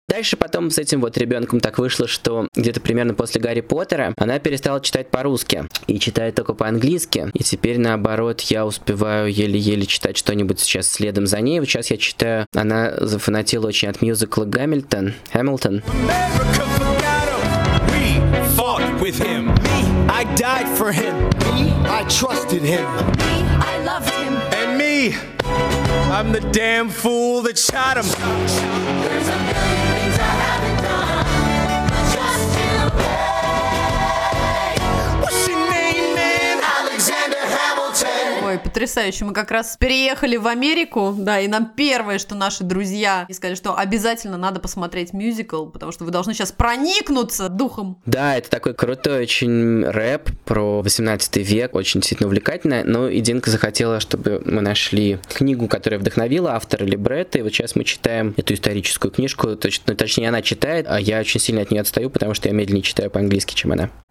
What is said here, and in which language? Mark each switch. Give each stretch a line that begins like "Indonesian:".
Russian: Дальше потом с этим вот ребенком так вышло, что где-то примерно после Гарри Поттера она перестала читать по-русски и читает только по-английски. И теперь, наоборот, я успеваю еле-еле читать что-нибудь сейчас следом за ней. Вот сейчас я читаю, она зафанатила очень от мюзикла «Гамильтон», «Хэмилтон».
English: America forgot him, we fought with him, me, I died for him, me, I trusted him, me, I loved him, and me, I'm the damn fool that shot him. There's a million things I haven't done, just to pay. What's your name, man? Alexander Hamilton.
Russian: Ой, потрясающе. Мы как раз переехали в Америку, да, и нам первое, что наши друзья сказали, что обязательно надо посмотреть мюзикл, потому что вы должны сейчас проникнуться духом. Да, это такой крутой очень рэп про 18 век, очень действительно увлекательно, но и Динка захотела, чтобы мы нашли книгу, которая вдохновила автора либретто, и вот сейчас мы читаем эту историческую книжку, точнее она читает, а я очень сильно от нее отстаю, потому что я медленнее читаю по-английски, чем она.